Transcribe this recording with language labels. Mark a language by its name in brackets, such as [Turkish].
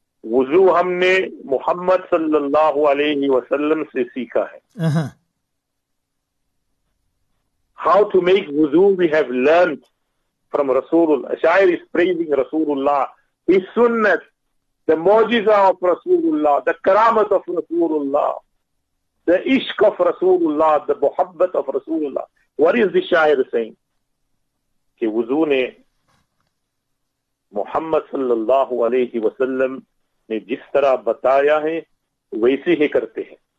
[Urdu] وضو ہم نے محمد صلی اللہ علیہ وسلم سے سیکھا ہے. [English] How to make wudu we have learned from Rasulullah. Shair is praising Rasulullah. His sunnah, the mojiza of Rasulullah, the karamat of Rasulullah, the ishq of Rasulullah, the muhabbat of Rasulullah. What is the shair saying? [Urdu] کہ وضو نے محمد صلی اللہ علیہ وسلم نے جس طرح بتایا ہے ویسے ہی کرتے ہیں.